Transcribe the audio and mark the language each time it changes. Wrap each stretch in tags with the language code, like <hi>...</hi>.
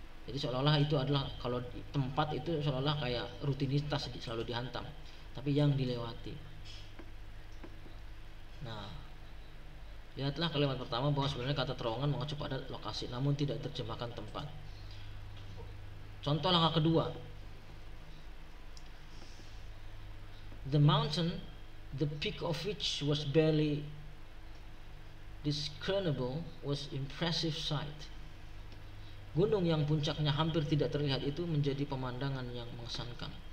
<id>Jadi seolah-olah itu adalah, kalau tempat itu seolah-olah kayak rutinitas selalu dihantam, tapi yang dilewati. Nah, lihatlah kalimat pertama bahwa sebenarnya kata terowongan mengacu pada lokasi, namun tidak diterjemahkan tempat. Contoh langkah kedua,</id> <en>the mountain, the peak of which was barely discernible, was impressive sight.</en> <id>Gunung yang puncaknya hampir tidak terlihat itu menjadi pemandangan yang mengesankan.</id>